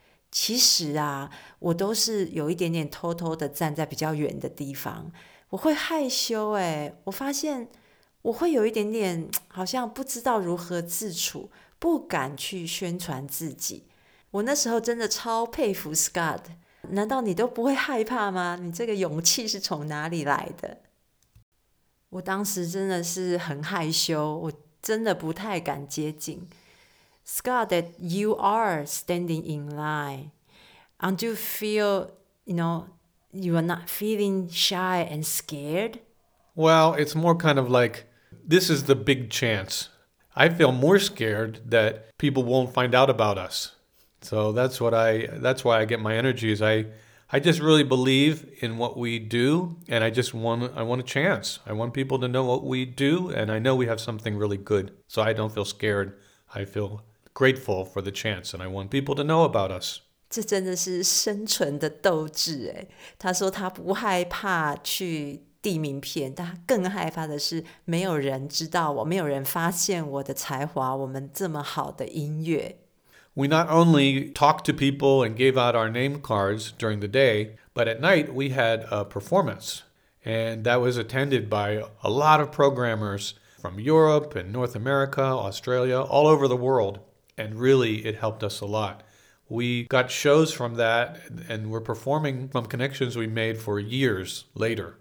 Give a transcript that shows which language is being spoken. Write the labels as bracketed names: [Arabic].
[Chinese] 其实啊，我都是有一点点偷偷的站在比较远的地方，我会害羞耶，我发现我会有一点点好像不知道如何自处，不敢去宣传自己。我那时候真的超佩服 Scott， 难道你都不会害怕吗？你这个勇气是从哪里来的？我当时真的是很害羞，我真的不太敢接近。 [English] Scott, that you are standing in line, and you feel, you know, you are not feeling shy and scared? Well, it's more kind of like, this is the big chance. I feel more scared that people won't find out about us. So that's why I get my energy, is I just really believe in what we do, and I want a chance. I want people to know what we do, and I know we have something really good, so I don't feel scared. I feel grateful for the chance and I want people to know about us. [Chinese] 这真的是生存的斗志耶。他说他不害怕去递名片，但他更害怕的是没有人知道我，没有人发现我的才华，我们这么好的音乐。 [English] We not only talked to people and gave out our name cards during the day, but at night we had a performance. And that was attended by a lot of programmers from Europe and North America, Australia, all over the world. And really, it helped us a lot. We got shows from that and were performing from connections we made for years later.